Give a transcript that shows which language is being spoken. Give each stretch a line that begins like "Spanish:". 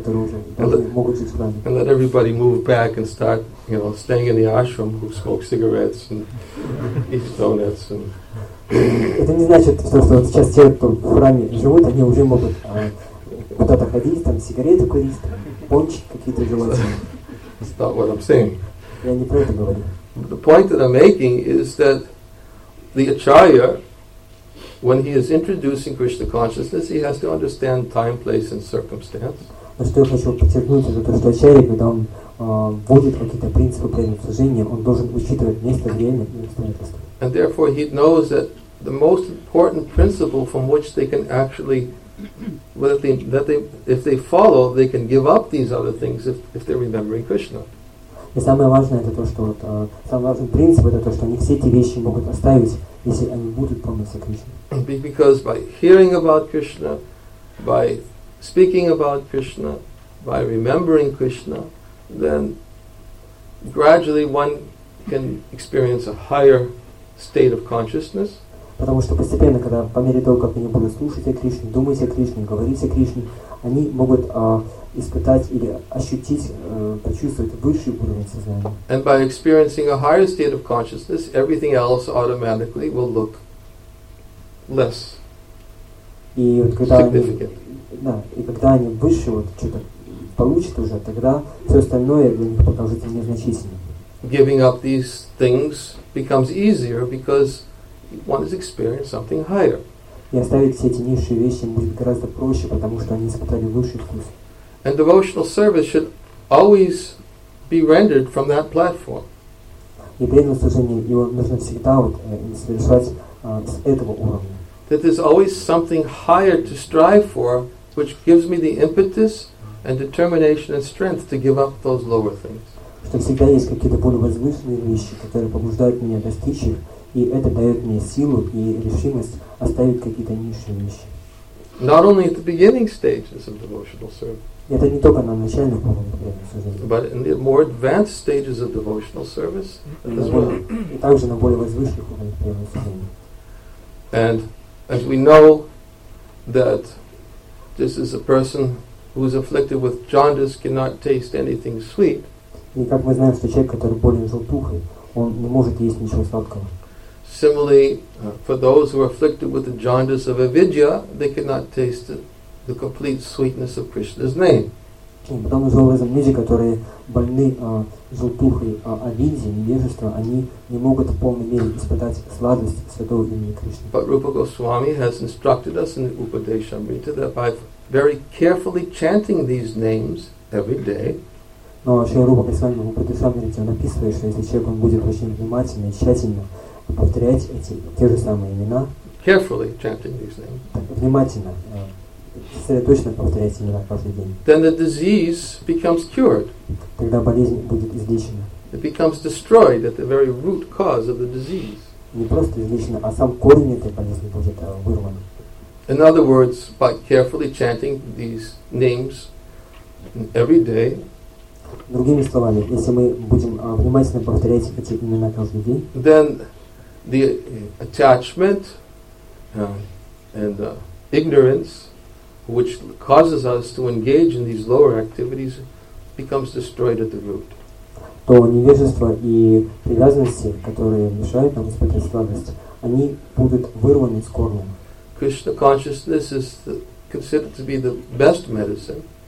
English: And let everybody move back and start, you know, staying in the ashram who smoke cigarettes and eat donuts and...
Russian: Это не значит, что вот сейчас те, кто в храме живут, они уже могут куда-то ходить, там сигареты курить, там, пончики какие-то желательные.
English: That's not what I'm saying.
Russian: Я не про это говорю.
English: The point that I'm making is that the acharya, when he is introducing Krishna consciousness, he has to understand time, place and circumstance.
Russian: Но что я хочу подчеркнуть, это то, что ачарья, когда он вводит какие-то принципы при обсуждении, он должен учитывать место, время и обстоятельства.
English: And therefore he knows that the most important principle from which they can actually, if they follow, they can give up these other things if they're remembering Krishna.
Russian: И самое важное это то, что вот самый важный принцип это то, что они все эти вещи могут оставить, если они будут помнить Кришну.
English: Because by hearing about Krishna, by speaking about Krishna, by remembering Krishna, then gradually one can experience a higher state of consciousness.
Russian: Потому что постепенно, когда по мере того, как они будут слушать о Кришне, думать о Кришне, говорить о Кришне, они могут испытать или ощутить, почувствовать высший уровень сознания.
English: And by experiencing a higher state of consciousness, everything else automatically will look less significant.
Russian: И когда они выше вот что-то получат уже, тогда все остальное для них покажется незначительным.
English: Giving up these things becomes easier because one has experienced something higher.
Russian: И оставить все эти низшие вещи будет гораздо проще, потому что они испытали высший вкус.
English: And devotional service should always be rendered from that platform.
Russian: И преданное служение его нужно всегда вот совершать с этого уровня.
English: That there's always something higher to strive for, which gives me the impetus and determination and strength to give up those lower things.
Russian: Что всегда есть какие-то более возвышенные вещи, которые побуждают меня достичь их, и это дает мне силу и решимость оставить какие-то низшие вещи.
English: Not only at the beginning stages of devotional service.
Russian: Это не только на начальном уровне.
English: But in the more advanced stages of devotional service as well.
Russian: И также на более возвышенных уровнях.
English: And as we know that this is a person who is afflicted with jaundice cannot taste anything sweet.
Russian: И как мы знаем, что человек, который болен желтухой, он не может есть ничего сладкого.
English: Similarly, for those who are afflicted with the jaundice of avidya, they cannot taste the complete sweetness of Krishna's name.
Russian: Люди, которые больны желтухой авидьи, невежества, они не могут в полной мере испытать сладость святого имени Кришны.
English: But Rupa Goswami has instructed us in the Upadeshamrita that by very carefully chanting these names every day,
Russian: но Шри Рупа Госвами в Упадешамрите написывает, что если человек будет очень внимательно и тщательно повторять эти те же самые имена,
English: carefully chanting these names,
Russian: внимательно, сосредоточенно повторять имена каждый день,
English: then the disease becomes cured.
Russian: Тогда болезнь будет излечена.
English: It becomes destroyed at the very root cause of the disease.
Russian: Не просто излечена, а сам корень этой болезни будет вырван.
English: In other words, by carefully chanting these names every day.
Russian: Другими словами, если мы будем внимательно повторять эти имена каждый день,
English: then the attachment and the ignorance which causes us to engage in these lower activities becomes destroyed at the root.
Russian: То невежество и привязанности, которые мешают нам испытывать сладость, они будут вырваны с корнем.
English: Krishna consciousness is considered to be the best medicine.